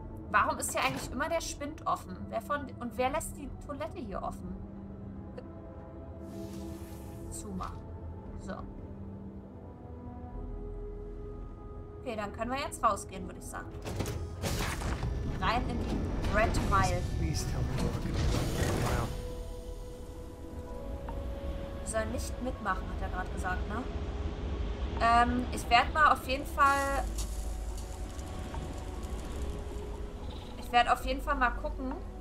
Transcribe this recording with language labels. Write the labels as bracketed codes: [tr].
[de] Warum ist hier eigentlich immer der Spind offen? Wer lässt die Toilette hier offen? Zumachen. So. Okay, dann können wir jetzt rausgehen, würde ich sagen. Rein in die Red Mile. [en] Please tell me we're gonna run the Red Mile. [de] Wir sollen nicht mitmachen, hat er gerade gesagt, ne? Ich werde mal auf jeden Fall. Ich werde auf jeden Fall mal gucken.